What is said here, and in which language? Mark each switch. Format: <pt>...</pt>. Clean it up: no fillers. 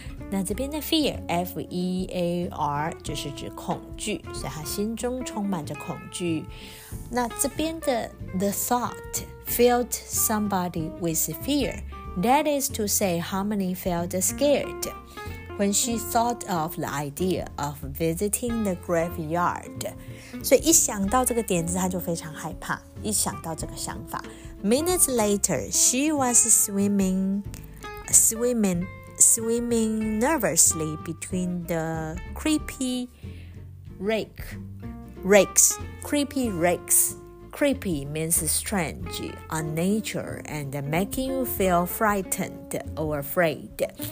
<zh>那这边的 fear, F-E-A-R, 就是指恐惧，所以他心中充满着恐惧。那这边的</zh> <en>the thought filled somebody with fear. That is to say, harmony felt scared. When she thought of the idea of visiting the graveyard.</en> <zh>所以一想到这个点子，她就非常害怕，一想到这个想法。</zh> <en>Minutes later, she was swimming nervously between the creepy rakes. Creepy means strange, unnatural, and making you feel frightened or afraid.</en>